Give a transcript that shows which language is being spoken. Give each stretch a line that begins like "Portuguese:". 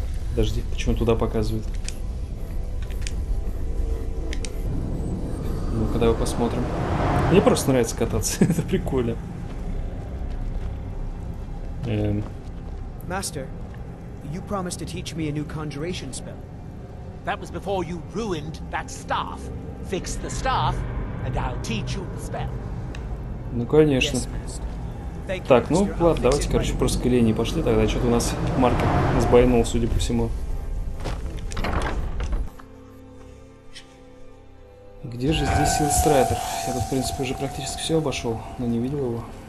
Russian: Подожди, почему туда показывают? Ну-ка, давай посмотрим. Мне просто нравится кататься, это прикольно.
English: Master, you promised to teach me a new conjuration spell. That was before you ruined that staff. Fix the staff, and I'll teach you the spell.
Russian: Ну, конечно. Так, ну, ладно, давайте, короче, просто к Элене пошли тогда. Что-то у нас Марк сбайнул, судя по всему. Где же здесь Илстрайдер? Я тут, в принципе, уже практически все обошел, но не видел его.